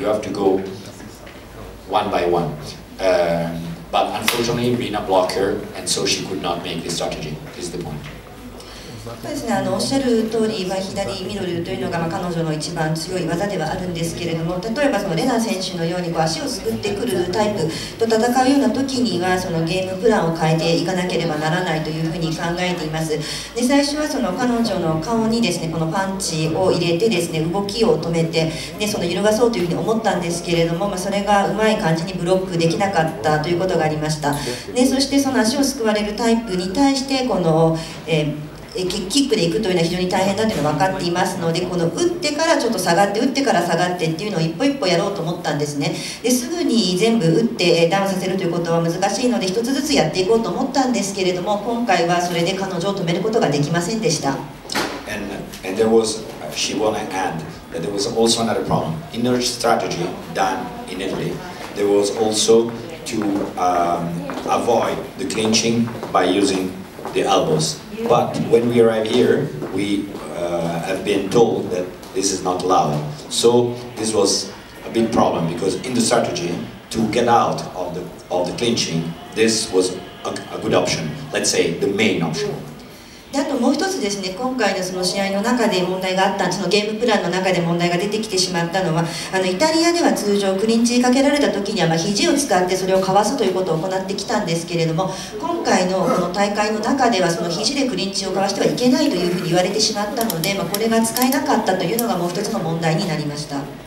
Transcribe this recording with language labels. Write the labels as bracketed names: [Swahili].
[English] You have to go one by one. But unfortunately, Rina blocked her, and so she could not make the strategy. This is the point. [Japanese] そうですね、あのおっしゃる通り、まあ、左ミドルというのが、まあ、彼女の一番強い技ではあるんですけれども例えばそのレナ選手のようにこう足をすくってくるタイプと戦うような時にはそのゲームプランを変えていかなければならないというふうに考えていますで最初はその彼女の顔にです、ね、このパンチを入れてです、ね、動きを止めてでその揺るがそうというふうに思ったんですけれども、まあ、それがうまい感じにブロックできなかったということがありましたでそしてその足をすくわれるタイプに対してこの、キックで行くというのは非常に大変だというのは分かっていますので、この打ってからちょっと下がって、打ってから下がってっていうのを一歩一歩やろうと思ったんですね。ですぐに全部打ってダウンさせるということは難しいので、一つずつやっていこうと思ったんですけれども、今回はそれで彼女を止めることができませんでした。 [English] And there was, she won an and, but there was also another problem. In her strategy done in Italy, there was also to avoid the clinching by using the elbows. But when we arrive here, we have been told that this is not allowed. So this was a big problem because in the strategy, to get out of the clinching, this was a good option. Let's say the main option. [Japanese] あともう一つですね、今回のその試合の中で問題があった、そのゲームプランの中で問題が出てきてしまったのは、あのイタリアでは通常クリンチにかけられた時にはまあ肘を使ってそれをかわすということを行ってきたんですけれども、今回のこの大会の中ではその肘でクリンチをかわしてはいけないというふうに言われてしまったので、まあ、これが使えなかったというのがもう一つの問題になりました。